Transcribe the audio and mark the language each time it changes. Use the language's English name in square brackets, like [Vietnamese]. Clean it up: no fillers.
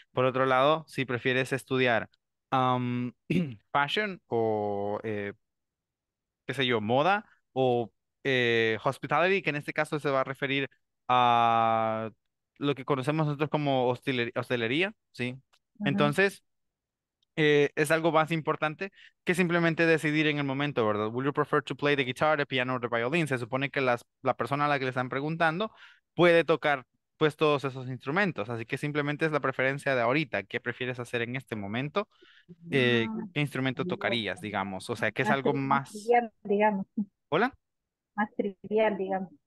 [Spanish] Por otro lado, si prefieres estudiar fashion o, qué sé yo, moda o hospitality, que en este caso se va a referir a lo que conocemos nosotros como hostelería, ¿sí? Uh-huh. Entonces, es algo más importante que simplemente decidir en el momento, ¿verdad? [English] Would you prefer to play the guitar, the piano, or the violin? [Spanish] Se supone que la persona a la que le están preguntando puede tocar pues todos esos instrumentos. Así que simplemente es la preferencia de ahorita. ¿Qué prefieres hacer en este momento? ¿Qué instrumento tocarías, digamos? O sea, que es algo más... trivial, digamos. ¿Hola? Más trivial, digamos.